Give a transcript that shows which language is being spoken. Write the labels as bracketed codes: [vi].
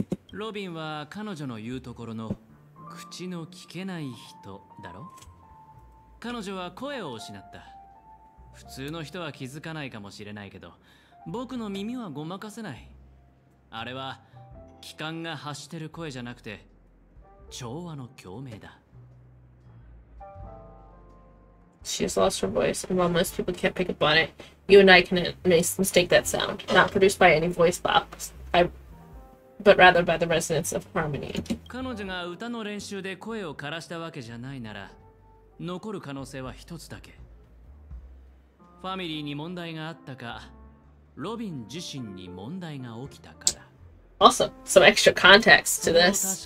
[ja] ロビンは彼女の言うところの口の聞けない人だろ? 彼女は声を失った。普通の人は気づかないかもしれないけど、僕の耳はごまかせない。あれは気管が発してる声じゃなくて調和の共鳴だ。 [en] She's lost her voice, and while most people can't pick up on it, you and I can mistake that sound, not produced by any voice box. But rather by the resonance of harmony. [ja] 彼女が歌の練習で声を枯らしたわけじゃないなら、残る可能性は一つだけ。ファミリーに問題があったか、ロビン自身に問題が起きたから。 [en] Awesome. Some extra context to this.